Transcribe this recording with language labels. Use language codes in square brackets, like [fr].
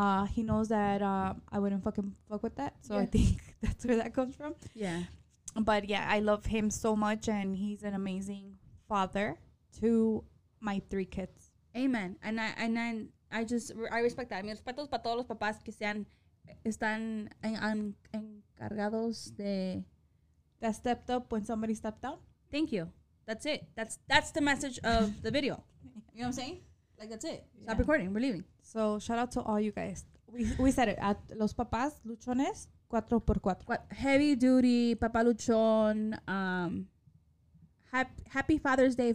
[en] He knows that I wouldn't fucking fuck with that. So yeah. I think that's where that comes from. Yeah. But yeah, I love him so much. And he's an amazing father to my three kids. Amen. And I respect that. [es] Mi respeto para todos los papás que están encargados de. [en] That stepped up when somebody stepped down. Thank you. That's it. That's the message of the video. You know what I'm saying? Like, that's it. Stop recording. We're leaving. So, shout out to all you guys. We said it. At Los Papás Luchones, 4x4. What? Heavy duty, Papá Luchón. Happy Father's Day.